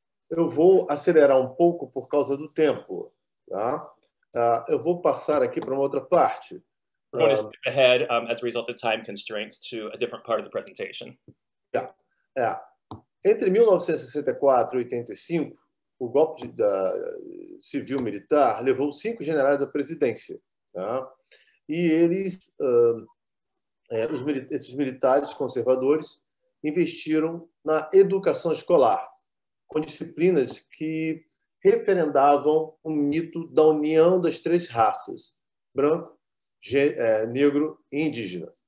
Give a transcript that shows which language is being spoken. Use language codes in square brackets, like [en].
[pt] Eu vou acelerar um pouco por causa do tempo, tá? Eu vou passar aqui para uma outra parte. [en] We're going to skip ahead as a result of time constraints to a different part of the presentation. Yeah. [pt] Entre 1964 e 85, o golpe da civil militar levou 5 generais à presidência, tá? E eles esses militares conservadores investiram na educação escolar, com disciplinas que referendavam o mito da união das três raças, branco, negro e indígena.